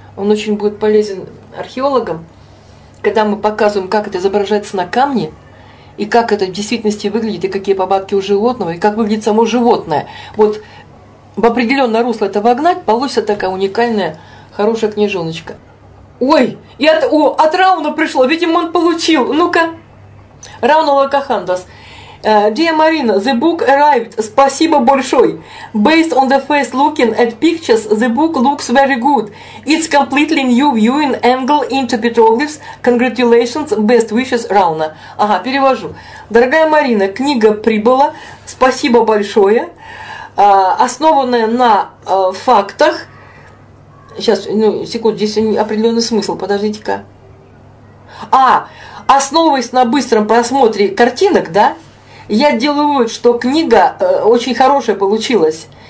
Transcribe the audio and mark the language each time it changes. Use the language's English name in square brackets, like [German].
[Russian] Он очень будет полезен археологам, когда мы показываем, как это изображается на камне, и как это в действительности выглядит, и какие повадки у животного, и как выглядит само животное. Вот в определенное русло это вогнать, получится такая уникальная, хорошая книжоночка. Ой, и от Рауна пришло, видимо, он получил. Ну-ка, Рауна Локахандас. [English] Dear Marina, the book arrived, [Russian] спасибо большое. [English] Based on the first looking at pictures, the book looks very good. It's completely new viewing angle into petroglyphs. Congratulations, best wishes, Рауна. [Russian] Ага, перевожу. Дорогая Марина, книга прибыла, спасибо большое. Основанная на фактах. Сейчас, ну, секунду, здесь определенный смысл, подождите-ка. А, основываясь на быстром просмотре картинок, да, я делаю вывод, что книга очень хорошая получилась.